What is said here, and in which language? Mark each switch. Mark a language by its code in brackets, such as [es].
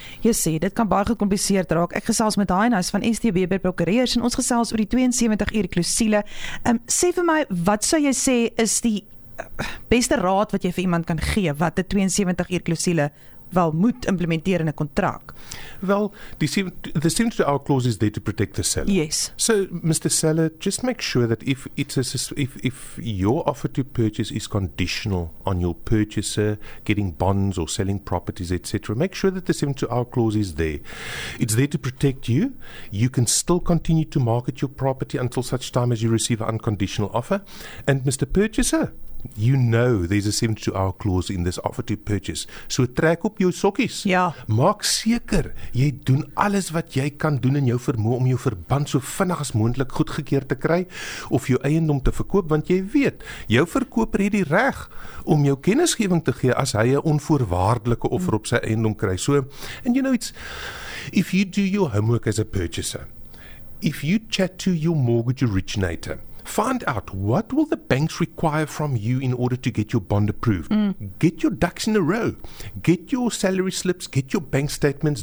[af] Jy sê, dit kan baie gecompliseerd raak. Ek gesels met Hainhuis van STB by Procureurs, en ons gesels oor die 72 uur klousiele. Sê vir my, wat sou jy sê is die beste raad wat jy vir iemand kan gee wat die 72 uur klousiele wel moet implementeer in 'n kontrak? [en] Well, the 72 hour clause is there to protect the seller. Yes. So, Mr. Seller, just make sure that if your offer to purchase is conditional on your purchaser getting bonds or selling properties, etc., make sure that the 72 hour clause is there. It's there to protect you. You can still continue to market your property until such time as you receive an unconditional offer. And Mr. Purchaser, you know there's a 72 hour clause in this offer to purchase. [af] So trek op jou sokkies. Ja. Maak seker, jy doen alles wat jy kan doen in jou vermoë om jou verband so vinnig as moontlik goedgekeur te kry of jou eiendom te verkoop, want jy weet, jou verkoper het die reg om jou kennisgewing te gee as hy 'n onvoorwaardelike offer op sy eiendom kry. [en] So, and you know it's, if you do your homework as a purchaser, if you chat to your mortgage originator, find out what will the banks require from you in order to get your bond approved. Mm. Get your ducks in a row. Get your salary slips. Get your bank statements.